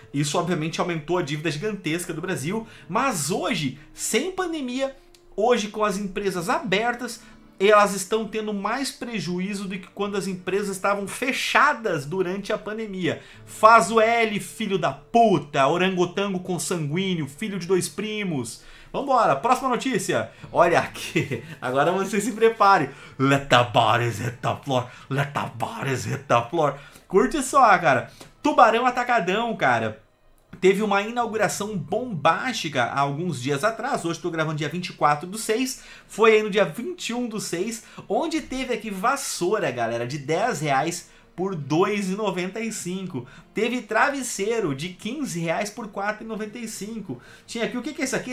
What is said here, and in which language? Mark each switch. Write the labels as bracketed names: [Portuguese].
[Portuguese] Isso, obviamente, aumentou a dívida gigantesca do Brasil. Mas hoje, sem pandemia, hoje, com as empresas abertas, elas estão tendo mais prejuízo do que quando as empresas estavam fechadas durante a pandemia. Faz o L, filho da puta, orangotango consanguíneo, filho de dois primos. Vambora, próxima notícia. Olha aqui, agora você se prepare. [English] Let the bodies hit the floor, let the bodies hit the floor. [Portuguese] Curte só, cara. Tubarão atacadão, cara. Teve uma inauguração bombástica há alguns dias atrás, hoje estou gravando dia 24/6, foi aí no dia 21/6, onde teve aqui vassoura, galera, de R$10 por R$2,95. Teve travesseiro de R$15 por R$4,95. Tinha aqui, o que é isso aqui?